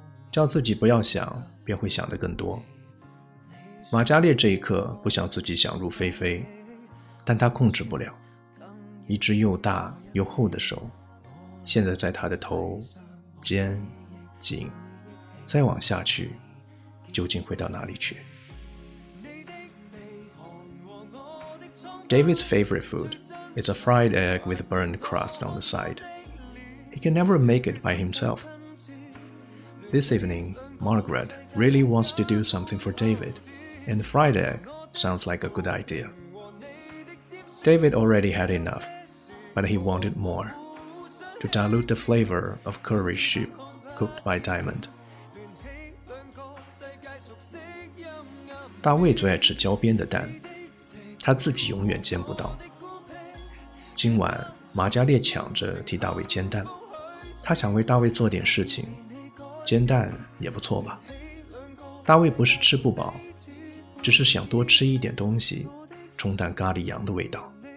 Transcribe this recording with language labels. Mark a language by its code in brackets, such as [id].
[zh] 叫自己不要想，便会想得更多。马加烈这一刻不想自己想入非非，但他控制不了。一只又大又厚的手，现在在他的头、肩、颈，再往下去，究竟会到哪里去？ [en] David's favorite food is a fried egg with burnt crust on the side. He can never make it by himself. This evening, Margaret really wants to do something for David. And fried egg sounds like a good idea. David already had enough, but he wanted more. To dilute the flavor of curry soup cooked by Diamond. [zh] 大卫最爱吃焦边的蛋，他自己永远煎不到。今晚，马加烈抢着替大卫煎蛋，他想为大卫做点事情，煎蛋也不错吧。大卫不是吃不饱，只是想多吃一点东西，冲淡咖喱羊的味道。